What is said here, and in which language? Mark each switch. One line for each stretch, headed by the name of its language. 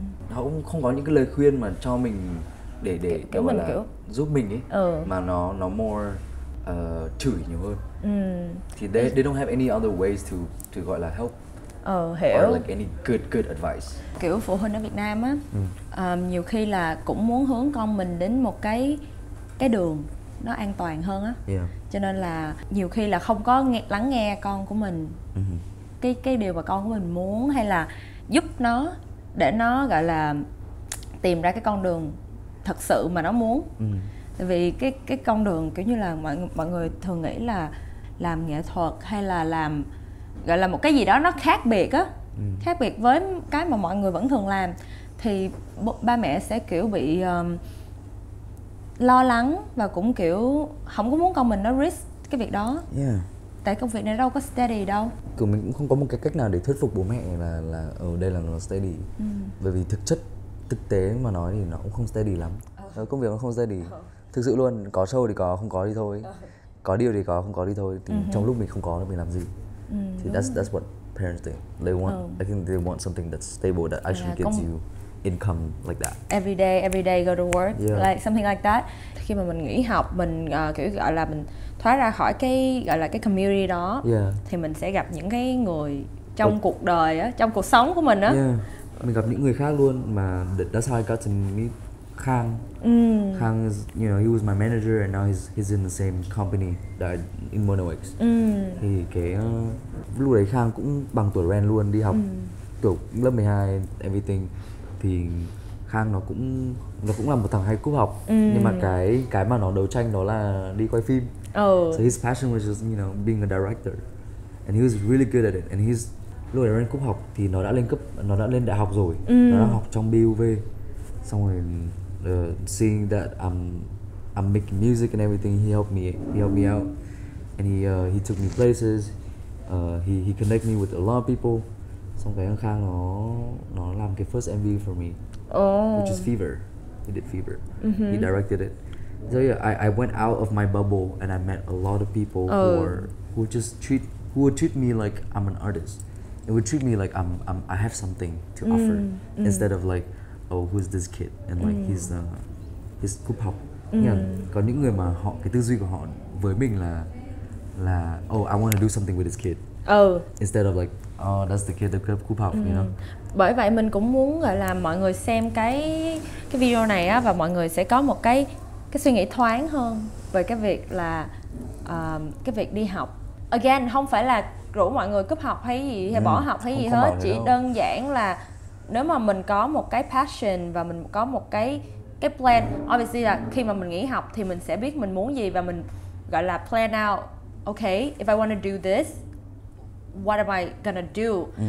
Vietnamese: Nó cũng không có những cái lời khuyên mà cho mình để kiểu mình là giúp mình ấy. Mà nó more chửi nhiều hơn.
English: Thì they don't have any other ways to
Vietnamese: gọi là
English: help.
Vietnamese: Hiểu.
English: Or like any good advice.
Vietnamese: Kiểu phụ huynh ở Việt Nam á, nhiều khi là cũng muốn hướng con mình đến một cái đường nó an toàn hơn á. Cho nên là nhiều khi là không có lắng nghe con của mình. Cái điều mà con của mình muốn, hay là giúp nó để nó gọi là tìm ra cái con đường thật sự mà nó muốn. Tại vì cái con đường kiểu như là mọi người thường nghĩ là làm nghệ thuật hay là làm gọi là một cái gì đó nó khác biệt á. Khác biệt với cái mà mọi người vẫn thường làm, thì ba mẹ sẽ kiểu bị lo lắng và cũng kiểu không có muốn con mình nó risk cái việc đó. Tại công việc này đâu có steady đâu. Kiểu mình cũng không có một cái cách nào để thuyết phục bố mẹ là ở đây là nó steady. Bởi vì thực chất, thực tế mà nói thì nó cũng không steady lắm. Công việc nó không steady. Thực sự luôn, có show thì có, không có thì thôi. Có điều thì có, không có thì thôi. Thì trong lúc mình không có thì mình làm gì?
English: Thì that's what parents think. They want, I think they want something that's stable that actually gets you income like that. Every day go to work, like something like that.
Vietnamese: Khi mà mình nghỉ học, mình kiểu gọi là mình thoát ra khỏi cái gọi là cái community đó, thì mình sẽ gặp những cái người trong cuộc đời á, trong cuộc sống của mình á. Mình gặp những người khác luôn mà
English: that's how I got to meet
Vietnamese: Khang.
English: Khang is, you know, he was my manager and now he's in the same company that in MonoX.
Vietnamese: Thì cái lúc đấy Khang cũng bằng tuổi Ren luôn, đi học kiểu lớp 12 everything. Thì Khang nó cũng là một thằng hay cúp học. Nhưng mà cái mà nó đấu tranh đó là đi quay phim.
English: So his passion was just, you know, being a director. And he was really good at it. And he's,
Vietnamese: lúc đấy Ren cúp học thì nó đã lên đại học rồi. Nó đang học trong BUV. Xong rồi
English: seeing that I'm making music and everything, he helped me out. And he took me places. He connected me with a lot of people.
Vietnamese: Xong cái Khang nó làm cái
English: first MV for me. Which is Fever. He did Fever. He directed it. So yeah, I went out of my bubble and I met a lot of people who would treat me like I'm an artist. it would treat me like I have something to offer instead of like, oh, who's this kid and like he's
Vietnamese: cúp học.
English: Yeah.
Vietnamese: Còn những người mà họ cái tư duy của họ với mình là
English: oh, I want to do something with this kid. Instead of like, oh, that's the kid that
Vietnamese: cúp học,
English: you know.
Vietnamese: Bởi vậy mình cũng muốn gọi là mọi người xem cái video này á, và mọi người sẽ có một cái suy nghĩ thoáng hơn về cái việc là cái việc đi học. Again, không phải là rủ mọi người cúp học hay gì hay bỏ học hay gì hết, chỉ đơn giản là nếu mà mình có một cái passion và mình có một cái plan, obviously là khi mà mình nghỉ học thì mình sẽ biết mình muốn gì và mình gọi là plan out,
English: okay, if I want to do this, what am I gonna do?